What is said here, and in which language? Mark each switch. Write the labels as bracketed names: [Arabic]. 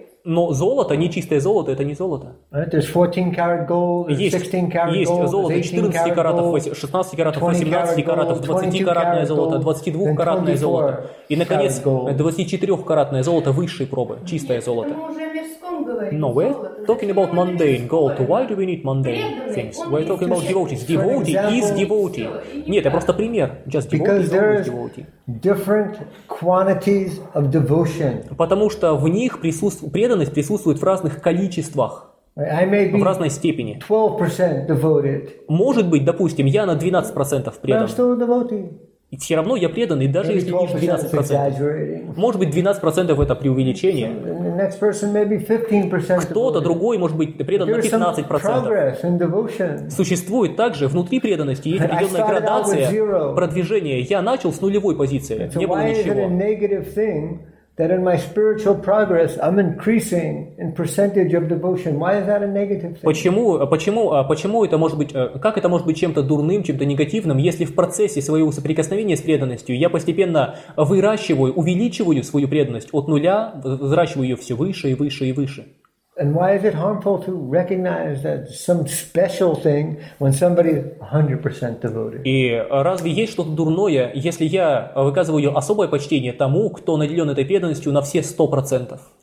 [Russian] Но золото, нечистое золото, это не золото. [English] There's 14-carat gold, 16-carat [Russian] есть, [English] gold, [Russian] золото, 14-карат, 16-карат, 18-карат, 20-каратное золото, 22-каратное золото. И, наконец, 24-каратное золото высшей пробы, чистое золото. [English] No, we're talking about mundane gold. Why do we need mundane things? We're talking about devotees. Devotee is devotee. [Russian] Нет, это просто пример. [English] Just devotee is devotee. Different quantities of devotion. [Russian] Потому что в них преданность присутствует в разных количествах, в разной степени. [English] 12% devoted. [Russian] Может быть, допустим, я на 12% предан. [English] I'm still a devotee. [Russian] И все равно я преданный, даже если лишь 12%. Может быть, 12% это преувеличение. Кто-то другой может быть предан на 15%. Существует также внутри преданности есть определенная градация продвижения. Я начал с нулевой позиции, не было ничего. [English] That in my spiritual progress, I'm increasing in percentage of devotion. Why is that a negative thing? [Russian] Почему это может быть? Как это может быть чем-то дурным, чем-то негативным, если в процессе своего соприкосновения с преданностью я постепенно выращиваю, увеличиваю свою преданность от нуля, взращиваю ее все выше и выше и выше? [English] And why is it harmful to recognize that some special thing when somebody 100% devoted? [Russian] И разве есть что-то дурное, если я выказываю особое почтение тому, кто наделен этой преданностью на все 100%?